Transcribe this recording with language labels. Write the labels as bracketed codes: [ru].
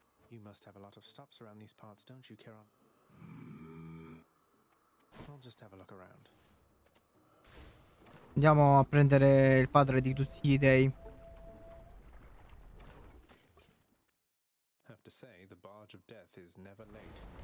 [en] You must have a lot of stops around these parts, don't you, Caron? I'll just have a look around. [it] Andiamo a prendere il padre di tutti gli dei. [en] Have to say the barge of death is never late.